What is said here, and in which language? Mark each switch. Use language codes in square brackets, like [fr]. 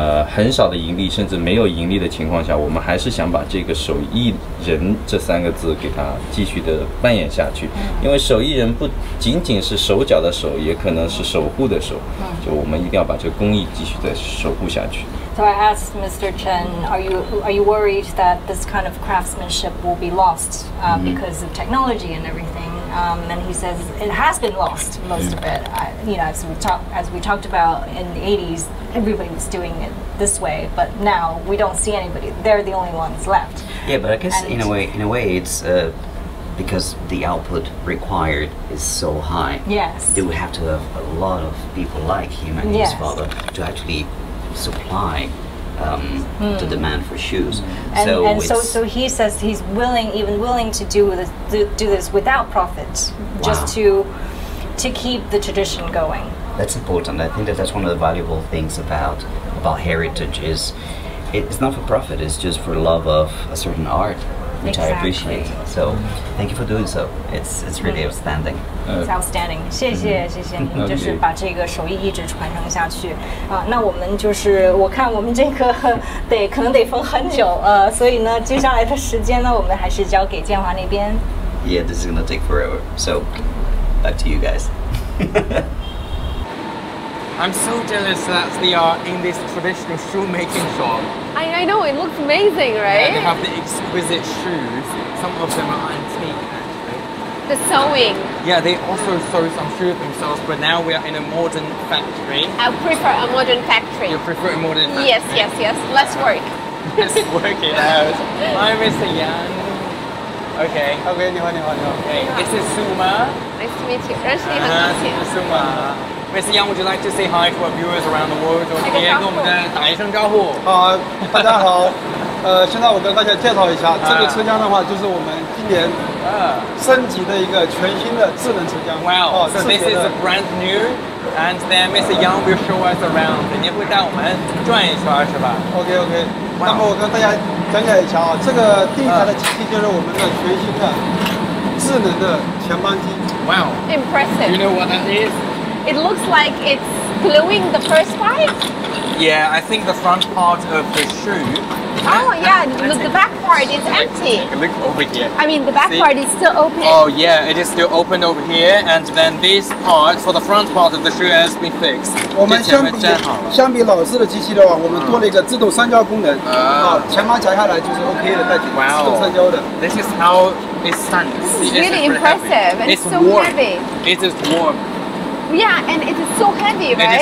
[zh] 很少的盈利，甚至没有盈利的情况下，我们还是想把这个手艺人这三个字给它继续的扮演下去。因为手艺人不仅仅是手脚的手，也可能是守护的手，就我们一定要把这个工艺继续的守护下去。 [en] So I asked Mr. Chen, are you worried that this kind of craftsmanship will be lost because of technology and everything? And he says it has been lost, most of it. As we talked about in the 80s, everybody was doing it this way, but now we don't see anybody. They're the only ones left. Yeah, but I guess in a way, it's because the output required is so high. Yes. They would have to have a lot of people like him and his father to actually supply the demand for shoes. So he says he's willing to do this without profit, just to keep the tradition going. That's important. I think that's one of the valuable things about heritage is it's not for profit, it's just for love of a certain art, which exactly. I appreciate. So thank you for doing so. It's really outstanding. It's outstanding. [zh] 谢谢您 就是把这个手艺一直传承下去。那我们就是我看我们这个得可能得封很久所以呢接下来的时间呢我们还是交给建华那边。 [en] Yeah, this is going to take forever. So back to you guys. I'm so jealous that they are in this traditional shoemaking shop. I know, it looks amazing, right? Yeah, they have the exquisite shoes. Some of them are antique, actually. The sewing. Yeah, they also sew some shoes themselves, but now we are in a modern factory. I prefer a modern factory. You prefer a modern factory? Yes, yes, yes. Let's work. Let's work it out. I'm Mr. Yang. Okay. This is Suma. Nice to meet you. Nice to meet you. Suma. Mr. Yang, would you like to say hi to our viewers around the world? [zh] 打一声招呼。好，大家好。现在我跟大家介绍一下，这个车厢的话，就是我们今年升级的一个全新的智能车厢。 [en] Wow. So this is a brand new, and then Mr. Yang will show us around. [zh] 你会带我们转一圈，是吧 [en] ？OK. [zh] 那么我跟大家讲解一下啊，这个第一台的机器就是我们的全新的智能的前方机。 [en] Wow. Impressive. You know what that is? It looks like it's gluing the first part. Yeah, I think the front part of the shoe. Oh, yeah, look, the back part is empty. Look over here. I mean, the back part is still open. Oh, yeah, it is still open over here. And then this part, for the front part of the shoe, has been fixed. [zh] 我们相比老式的机器的话，我们多了一个自动三焦功能。前方夹下来就是 OK 的，带自动三焦的。 [en] This is how it stands. It's really impressive. And it's so heavy. It is warm. Yeah, and it's so heavy, right?